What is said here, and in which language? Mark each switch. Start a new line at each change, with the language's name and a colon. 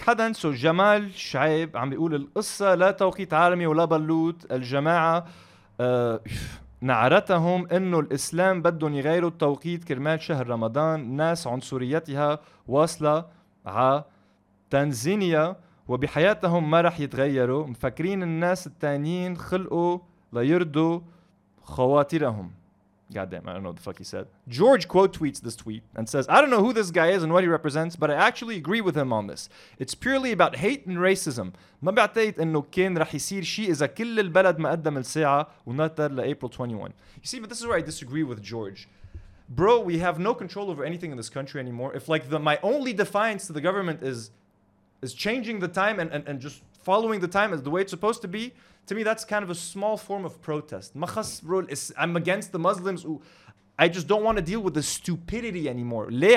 Arabic: حدا سو جمال شعيب عم بيقول القصة لا توقيت عالمي ولا بلوت الجماعة نعرتهم إنه الإسلام بدهم يغيروا التوقيت كرمال شهر رمضان ناس عنصريتها واصلة ع تنزانيا وبحياتهم ما رح يتغيروا مفكرين الناس التانيين خلقوا ليردوا خواطرهم.
English: God damn, I don't know what the fuck he said. George quote tweets this tweet and says, I don't know who this guy is and what he represents, but I actually agree with him on this. It's purely about hate and racism.
Arabic: ما بعتقد انه كان رح يصير شيء اذا كل البلد ما قدم الساعة ونطر لأبريل 21.
English: You see, but this is where I disagree with George. Bro, we have no control over anything in this country anymore. If like my only defiance to the government is changing the time and just following the time as the way it's supposed to be, to me, that's kind of a small form of protest. I'm against the Muslims. I just don't want to deal with the stupidity anymore.